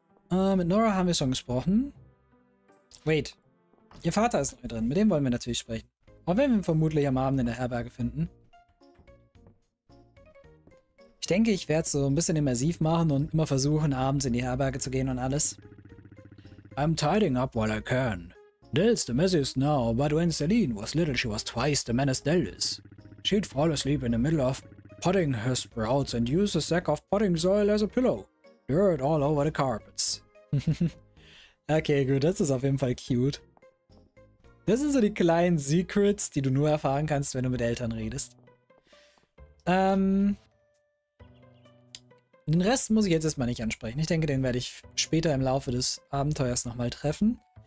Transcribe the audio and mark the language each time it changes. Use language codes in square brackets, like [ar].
[de] Mit Nora haben wir schon gesprochen. Wait. Ihr Vater ist neu drin. Mit dem wollen wir natürlich sprechen. Auch wenn wir ihn vermutlich am Abend in der Herberge finden. Ich denke, ich werde es so ein bisschen immersiv machen und immer versuchen, abends in die Herberge zu gehen und alles. [en] I'm tidying up while I can. Dell's the messiest now, but when Celine was little, she was twice the man as Dell is. She'd fall asleep in the middle of potting her sprouts and use a sack of potting soil as a pillow. Dirt all over the carpets. [de] Okay, gut, das ist auf jeden Fall cute. Das sind so die kleinen Secrets, die du nur erfahren kannst, wenn du mit Eltern redest. Den Rest muss ich jetzt erstmal nicht ansprechen. Ich denke, den werde ich später im Laufe des Abenteuers nochmal treffen.